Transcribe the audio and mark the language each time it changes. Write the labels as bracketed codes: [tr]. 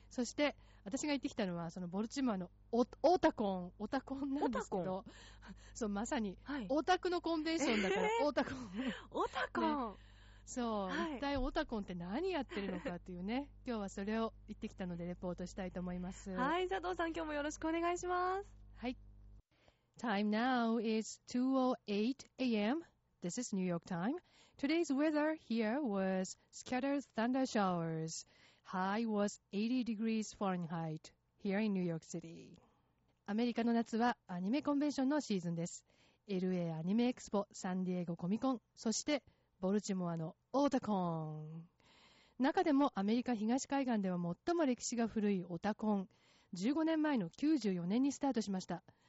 [ja] そして私が行ってきたのはそのボルチモアのオタコンなんですけど、そうまさにオタクのコンベンションだから、はい、オタコン、オタコン、そう、はい、一体オタコンって何やってるのかっていうね今日はそれを言ってきたのでレポートしたいと思います。はい、佐藤さん今日もよろしくお願いします。 [en] はい、 Time now is 2:08 AM. This is New York time. Today's weather here was scattered thunder showers. High was 80 degrees Fahrenheit here in New York City. [ja] アメリカの夏はアニメコンベンションのシーズンです。LA アニメエクスポ、サンディエゴコミコン、そしてボルチモアのオタコン。中でもアメリカ東海岸では最も歴史が古いオタコン、15年前の94年にスタートしました。